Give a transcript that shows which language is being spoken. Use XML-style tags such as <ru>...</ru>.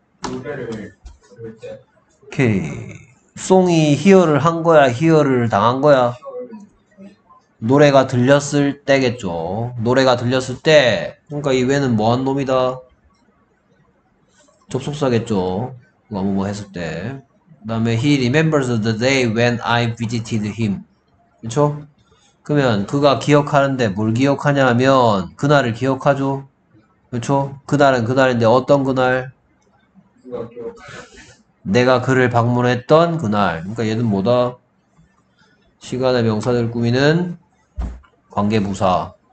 <ko>노래를 부를 때 오케이. 송이 희열을 한 거야, 희열을 당한 거야? 노래가 들렸을 때겠죠. 노래가 들렸을 때. 그러니까 이 외는 뭐한 놈이다? 접속사겠죠. 뭐뭐 했을 때. 그다음에</ko> <en>he remembers the day when I visited him.</en> <ko>그렇죠? 그러면 그가 기억하는데 뭘 기억하냐면 그날을 기억하죠. 그렇죠? 그날은 그날인데 어떤 그날? 내가 그를 방문했던 그날. 그러니까 얘는 뭐다? 시간의 명사들 꾸미는 관계부사.</ko>